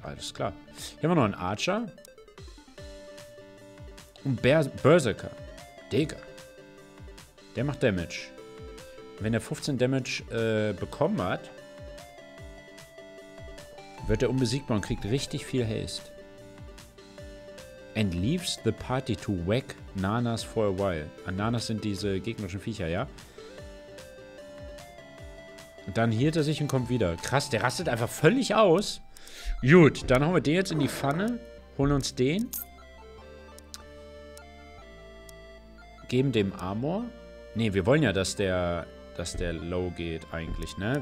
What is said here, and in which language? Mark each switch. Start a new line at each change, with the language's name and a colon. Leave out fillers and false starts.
German: Alles klar. Hier haben wir noch einen Archer. Und Berserker. Digga. Der macht Damage. Wenn er 15 Damage bekommen hat, wird er unbesiegbar und kriegt richtig viel Haste.
English: And leaves the party to whack Nanas for a while.
German: An Nanas sind diese gegnerischen Viecher, ja? Und dann hielt er sich und kommt wieder. Krass, der rastet einfach völlig aus. Gut, dann haben wir den jetzt in die Pfanne. Holen uns den. Geben dem Armor. Ne, wir wollen ja, dass der low geht eigentlich, ne?